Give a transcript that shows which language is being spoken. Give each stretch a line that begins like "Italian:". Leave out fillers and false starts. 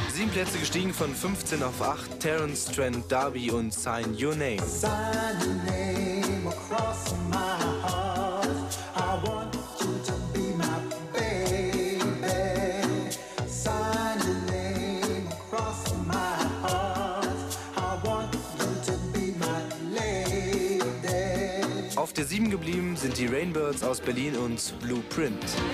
German: Plätze gestiegen von 15 auf 8, Terence Trent D'Arby und Sign Your Name.
English: Sign your name across my heart. I want you to be my baby. Sign your name across my heart. I want you to be my lady.
German: Auf der 7 geblieben sind die Rainbirds aus Berlin und Blueprint.